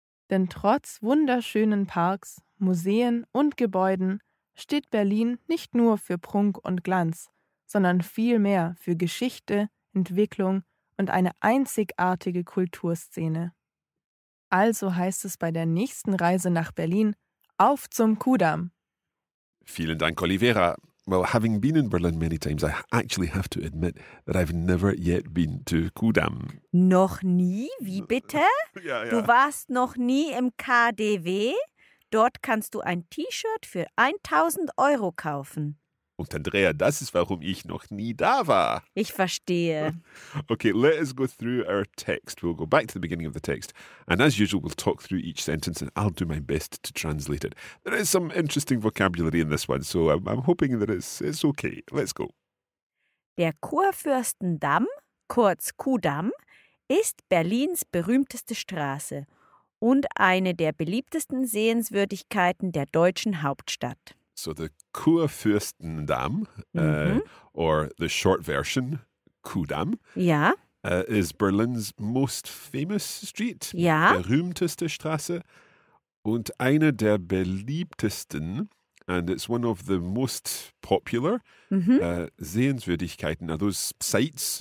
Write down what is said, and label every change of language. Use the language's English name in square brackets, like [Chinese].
[German] Denn trotz wunderschönen Parks, Museen und Gebäuden steht Berlin nicht nur für Prunk und Glanz, sondern vielmehr für Geschichte, Entwicklung und eine einzigartige Kulturszene. Also heißt es bei der nächsten Reise nach Berlin, auf zum Kudamm! Vielen Dank, Oliveira. [English] Well, having been in Berlin many times, I actually have to admit that I've never yet been to Kudamm. [German] Noch nie? Wie bitte? [English] Yeah. [German] Du warst noch nie im KDW? Dort kannst du ein T-Shirt für 1000 Euro kaufen. Und Andrea, das ist, warum ich noch nie da war. Ich verstehe. [English] Okay, let us go through our text. We'll go back to the beginning of the text. And as usual, we'll talk through each sentence and I'll do my best to translate it. There is some interesting vocabulary in this one, so I'm hoping that it's okay. Let's go. Der Kurfürstendamm, kurz Kudamm, ist Berlins berühmteste Straße und eine der beliebtesten Sehenswürdigkeiten der deutschen Hauptstadt. So the Kurfürstendamm, or the short version, Kudamm, is Berlin's most famous street, [German] berühmteste Straße, und eine der beliebtesten, [English] and it's one of the most popular, Sehenswürdigkeiten, are those sites?